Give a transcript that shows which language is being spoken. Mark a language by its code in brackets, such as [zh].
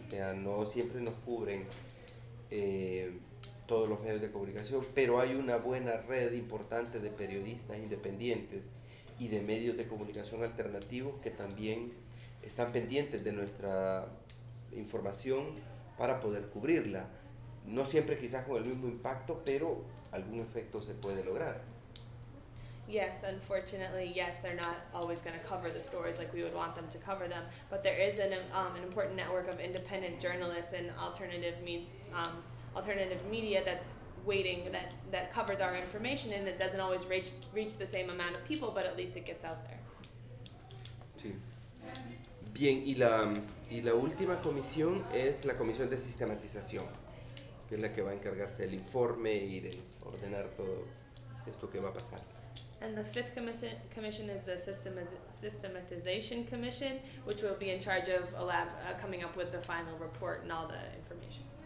[es] O sea, no siempre nos cubren todos los medios de comunicación, pero hay una buena red importante de periodistas independientes y de medios de comunicación alternativos que también están pendientes de nuestra información para poder cubrirla. No siempre quizás con el mismo impacto, pero algún efecto se puede lograr. [en] Yes, unfortunately, yes, they're not always going to cover the stories like we would want them to cover them, but there is an important network of independent journalists and alternative media that's waiting, that covers our information, and it doesn't always reach the same amount of people, but at least it gets out there. [es] Sí. Bien, y la última comisión es la comisión de sistematización, que es la que va a encargarse del informe y de ordenar todo esto que va a pasar. [en] And the fifth commission is the systematization commission, which will be in charge of coming up with the final report and all the information.